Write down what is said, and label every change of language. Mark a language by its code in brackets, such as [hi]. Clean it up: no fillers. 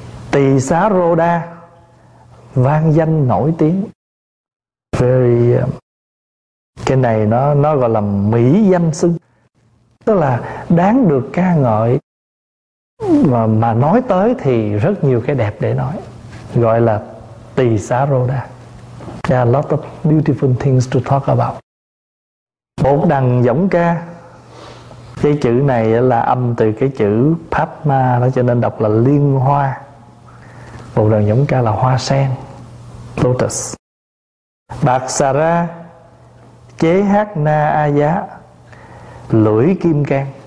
[vi] Tỳ Xá Rô Đa, vang danh nổi tiếng. Very, cái này nó gọi là mỹ danh xưng, tức là đáng được ca ngợi. Mà nói tới thì rất nhiều cái đẹp để nói, gọi là Tỳ Xá Rô Đa. [en] There are a lot of beautiful things to talk about. [vi] Bột Đằng Giống Ca, cái chữ này là âm từ cái chữ Padma đó, cho nên đọc là liên hoa. Bột Đằng Giống Ca là hoa sen, lotus. Bạc Xà Ra Chế Hát Na A Giá, lưỡi kim cang.